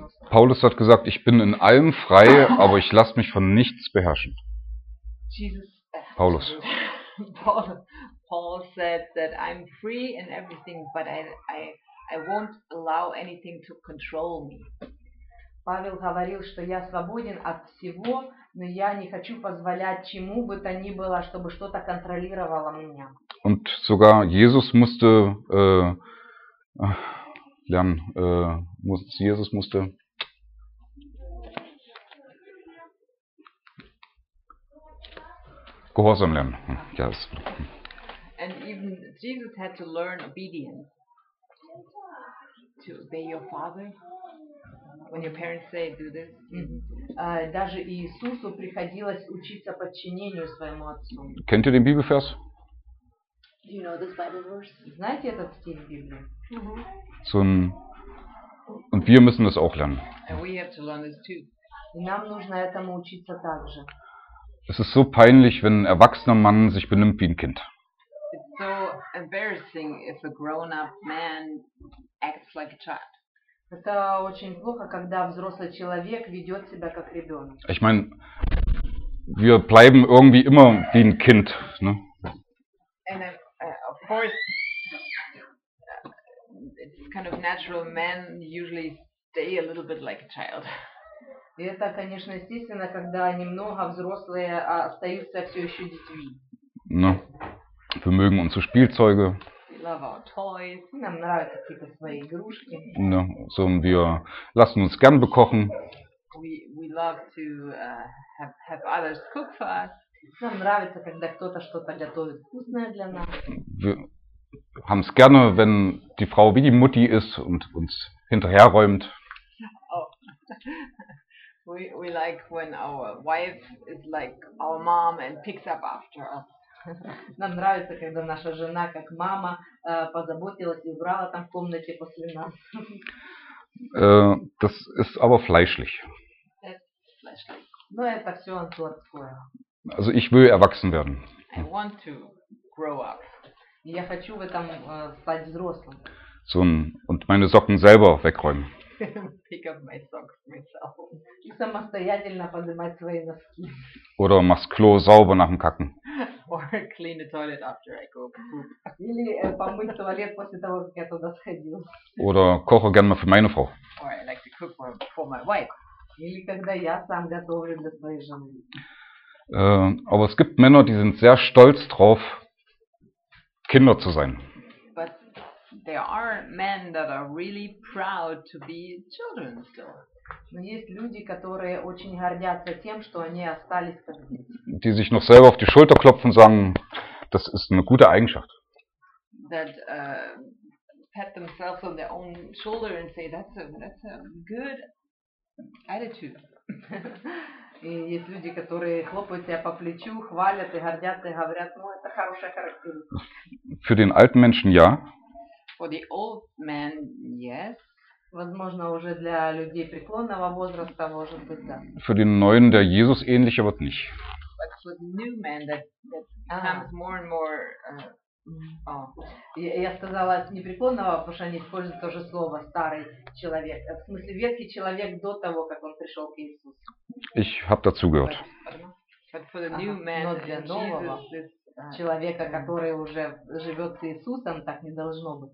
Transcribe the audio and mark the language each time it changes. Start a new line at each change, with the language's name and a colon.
German: Paulus hat gesagt, ich bin in allem frei, aber ich lasse mich von nichts beherrschen. Jesus. Paulus.
English: Paul said that I'm free in everything, but I won't allow anything to control me.
Russian: Павел говорил, что я свободен от всего, но я не хочу позволять чему бы то ни было, чтобы что-то контролировало меня.
German: Und sogar Jesus musste lernen, Jesus musste Gehorsam lernen. Ja, das.
English: And even Jesus had to learn obedience. To obey your father. When your parents say, do this.
Russian: Даже Иисусу приходилось учиться подчинению своему отцу.
German: Kennt ihr den Bibelvers?
English: Do you know this Bible verse?
Russian: Знаете этот стих Библии?
German: So, und wir müssen das auch lernen.
English: And we have to learn this too.
Russian: Нам нужно этому учиться также.
German: Es ist so peinlich, wenn ein erwachsener Mann sich benimmt wie ein Kind.
English: It's so embarrassing if a grown-up man acts like a child.
Russian: Это очень плохо, когда взрослый человек ведет себя как ребенок.
German: Ich meine, wir bleiben irgendwie immer wie ein Kind, ne?
English: And of course, it's kind of natural. Men usually stay a little bit like a child.
Russian: И это, конечно, естественно, когда немного взрослые остаются все еще детьми. Ну, мы любим
German: unsere Spielzeuge.
English: We love our toys.
Russian: Нам нравятся какие-то свои игрушки.
German: Ну, so, wir lassen uns gern bekochen.
English: We love to have others cook for us.
Russian: Нам нравится, когда кто-то что-то готовит вкусное для нас.
German: Wir haben es gerne, wenn die Frau wie die Mutti ist und uns hinterherräumt. Oh.
English: We like when our wife is like our mom and picks up after us.
Russian: Нам нравится, когда наша жена как мама позаботилась и убрала там в комнате после нас.
German: Das ist aber fleischlich.
Russian: Но это все плотское.
German: Also ich will erwachsen werden.
English: I want to grow up.
Russian: Я хочу в этом стать взрослым.
German: So, und meine Socken selber wegräumen.
English: Pick up my socks myself.
Russian: И самостоятельно поднимать свои носки.
German: Oder mach's Klo sauber nach dem Kacken.
English: Or clean the toilet after I go poop.
Russian: Или помыть туалет после того, как я туда сходил.
German: Oder koche gerne mal für meine Frau.
English: Or I like to cook for my wife.
Russian: Или когда я сам готовлю для своей жены.
German: Aber es gibt Männer, die sind sehr stolz drauf, Kinder zu sein.
English: But there are men that are really proud to be children still.
Russian: Но есть люди, которые очень гордятся тем, что они остались как дети.
German: Die sich noch selber auf die Schulter klopfen und sagen, das ist eine gute Eigenschaft.
English: That pat themselves on their own shoulder and say, that's a good attitude.
Russian: И есть люди, которые хлопают тебя по плечу, хвалят и гордятся, и говорят, ну, это хорошая характеристика.
German: Für den alten Menschen, ja.
English: For the old man, yes.
Russian: Возможно, уже для людей преклонного возраста, может быть, да.
German: Für den neuen, der Jesus ähnlicher wird, nicht.
English: But for the new man, that comes more and more...
Russian: Я сказала не преклонного, потому что они используют то же слово старый человек. В смысле ветхий человек до того, как он пришел к Иисусу.
German: Ich habe dazu gehört.
Russian: Но для нового человека, который уже живет с Иисусом, так не должно быть.